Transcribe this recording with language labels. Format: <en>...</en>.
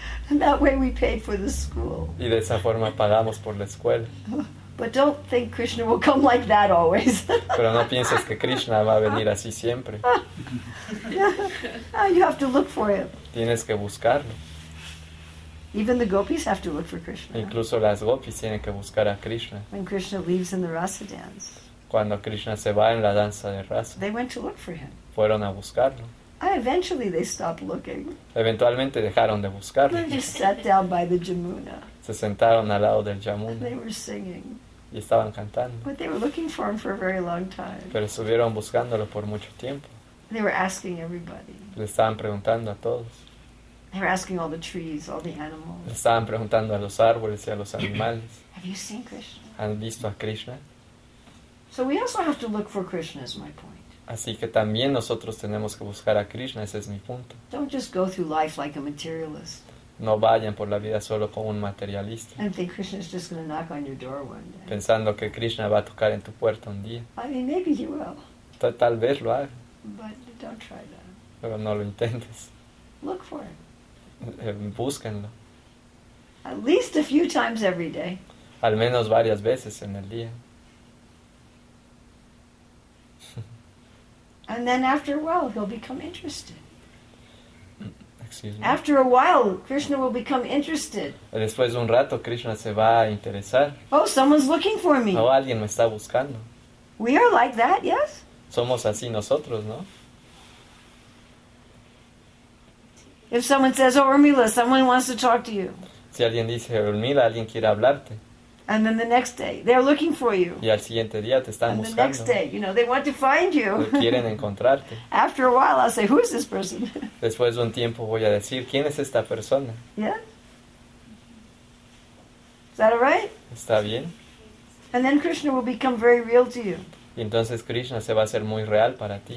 <en>And that way we paid for the school.</en> <es>Y de esa forma pagamos por la escuela.</es> <en>But don't think Krishna will come like that always.</en> <es>Pero no pienses que Krishna va a venir así siempre.</es> <en>You have to look for him.</en> <es>Tienes que buscarlo.</es> <en>Even the gopis have to look for Krishna.</en> <es>Incluso las gopis tienen que buscar a Krishna.</es> <en>When Krishna leaves in the rasa dance.</en> <es>Cuando Krishna se va en la danza de rasa.</es> <en>They went to look for him.</en> <es>Fueron a buscarlo.</es> <en>Eventually they stopped looking.</en> <es>Eventualmente dejaron de buscarlo.</es> <en>They just sat down by the Jamuna.</en> <es>Se sentaron al lado del Jamuna.</es> <en>They were singing.</en> <es>Y estaban cantando.</es> <en>But they were looking for him for a very long time.</en> <es>Pero estuvieron buscándolo por mucho tiempo.</es> <en>They were asking everybody.</en> <es>Le estaban preguntando a todos.</es> <en>They were asking all the trees, all the animals.</en> <es>Le estaban preguntando a los árboles y a los animales.</es> <en>Have you seen Krishna?</en> <es>¿Han visto a Krishna?</es> <en>So we also have to look for Krishna, is my point.</en> <es>Así que también nosotros tenemos que buscar a Krishna, ese es mi punto.</es> <en>Don't just go through life like a materialist.</en> <es>No vayan por la vida solo como un materialista.</es> <en>And think Krishna's just going to knock on your door one day.</en> <es>Pensando que Krishna va a tocar en tu puerta un día.</es> <en>I mean, maybe he will.</en> <es>Tal vez lo haga.</es> <en>But don't try that.</en> <es>Pero no lo intentes.</es> <en>Look for it.</en> <es>Búsquenlo.</es> <en>At least a few times every day.</en> <es>Al menos varias veces en el día.</es> <en>And then after a while, he'll become interested. Excuse me. After a while, Krishna will become interested.</en> <es>Después de un rato, Krishna se va a interesar.</es> <en>Oh, someone's looking for me.</en> <es>Oh, alguien me está buscando.</es> <en>We are like that, yes?</en> <es>Somos así nosotros, ¿no?</es> <en>If someone says, oh, Urmila, someone wants to talk to you.</en> <es>Si alguien dice, mira, alguien quiere hablarte.</es> <en>And then the next day, they're looking for you.</en> <es>Y al siguiente día te están</es> <en>and</en> <es>buscando.</es> <en>The next day, you know, they want to find you.</en> <es>Quieren encontrarte.</es> <en>After a while, I'll say, who is this person?</en> <es>Después de un tiempo voy a decir, ¿quién es esta persona?</es> <en>Yeah. Is that all right?</en> <es>¿Está bien?</es> <en>And then Krishna will become very real to you.</en> <es>Y entonces Krishna se va a hacer muy real para ti.</es>